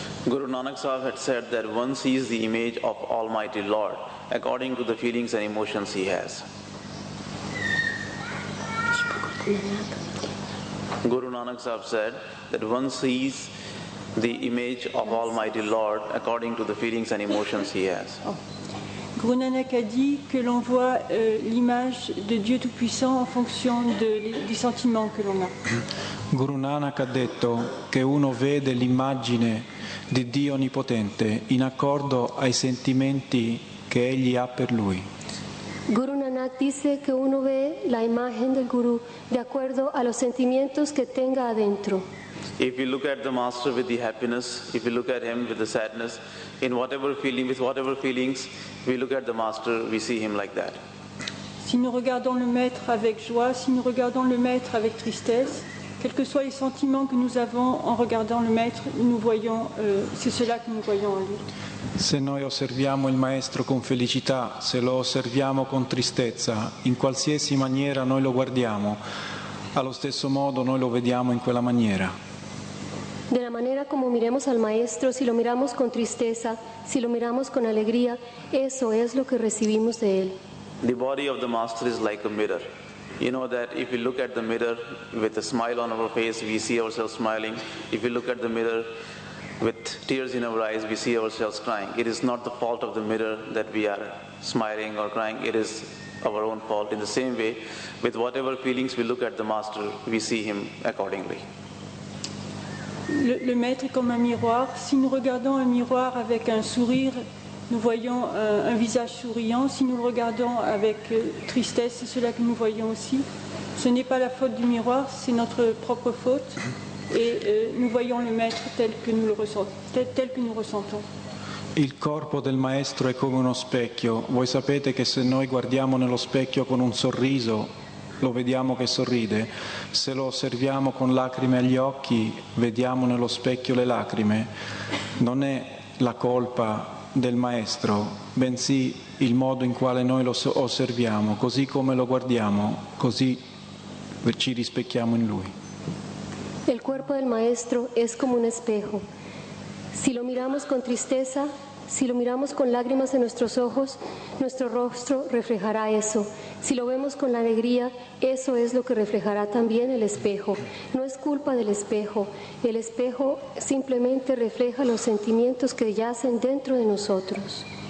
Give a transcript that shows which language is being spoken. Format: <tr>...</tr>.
<en>Guru Nanak Sahib had said that one sees the image of Almighty Lord according to the feelings and emotions he has. Guru Nanak Sahib said that one sees the image of Almighty Lord according to the feelings and emotions he has.</en> <fr>Guru Nanak a dit que l'on voit l'image de Dieu Tout-Puissant en fonction des sentiments que l'on a.</fr> <it>Guru Nanak ha detto che uno vede l'immagine di Dio Onnipotente in accordo ai sentimenti che egli ha per lui.</it> <es>Guru Nanak dice che uno ve la imagen del Guru de acuerdo a los sentimientos que tenga adentro.</es> <en>If you look at the master with the happiness, if you look at him with the sadness, in whatever feeling, with whatever feelings, we look at the master, we see him like that.</en> <fr>Si nous regardons le maître avec joie, si nous regardons le maître avec tristesse, quels que soient les sentiments que nous avons en regardant le maître, nous voyons, c'est cela que nous voyons en lui.</fr> <it>Se noi osserviamo il maestro con felicità, se lo osserviamo con tristezza, in qualsiasi maniera noi lo guardiamo, allo stesso modo noi lo vediamo in quella maniera. Della maniera</it> <es>come miremos al maestro, si lo miramos con tristezza, si lo miramos con allegria, eso es lo que recibimos de él.</es> <en>The body of the master is like a mirror. You know that if we look at the mirror with a smile on our face, we see ourselves smiling. If we look at the mirror with tears in our eyes, we see ourselves crying. It is not the fault of the mirror that we are smiling or crying. It is our own fault. In the same way, with whatever feelings we look at the master, we see him accordingly.</en> <fr>Le maître est comme un miroir. Si nous regardons un miroir avec un sourire, nous voyons un visage souriant. Si nous le regardons avec tristesse, c'est cela que nous voyons aussi. Ce n'est pas la faute du miroir, c'est notre propre faute. Et nous voyons le maître tel que nous ressentons.</fr> <it>Il corpo del maestro è come uno specchio. Voi sapete che se noi guardiamo nello specchio con un sorriso, lo vediamo che sorride. Se lo osserviamo con lacrime agli occhi, vediamo nello specchio le lacrime. Non è la colpa del maestro, bensì il modo in quale noi lo osserviamo. Così come lo guardiamo, così ci rispecchiamo in lui. Il corpo del maestro è come un specchio.</it> <es>Se lo miramos con tristezza, si lo miramos con lágrimas en nuestros ojos, nuestro rostro reflejará eso. Si lo vemos con la alegría, eso es lo que reflejará también el espejo. No es culpa del espejo. El espejo simplemente refleja los sentimientos que yacen dentro de nosotros.</es>